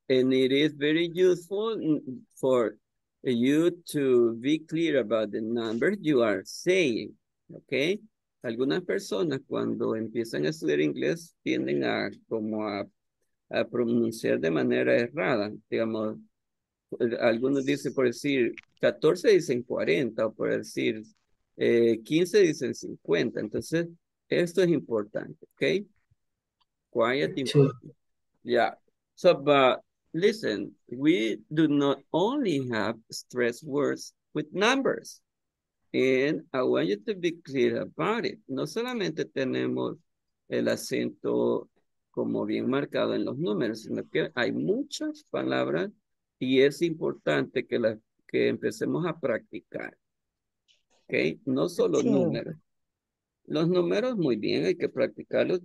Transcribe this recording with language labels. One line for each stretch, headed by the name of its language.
English: And it is very useful for you to be clear about the numbers you are saying, okay?
Spanish: Algunas personas cuando empiezan a estudiar inglés tienden a como a pronunciar de manera errada, digamos. Algunos dicen, por decir, 14 dicen 40, o por decir, 15 dicen 50. Entonces, esto es importante, ¿ok?
English: Quiet, important. Yeah. So, but, listen, we do not only have stress words with numbers. And I want you to be clear about it.
Spanish: No solamente tenemos el acento como bien marcado en los números, sino que hay muchas palabras. Y es importante que, la, que empecemos a practicar, ¿ok? No solo números. Los números, muy bien, hay que practicarlos.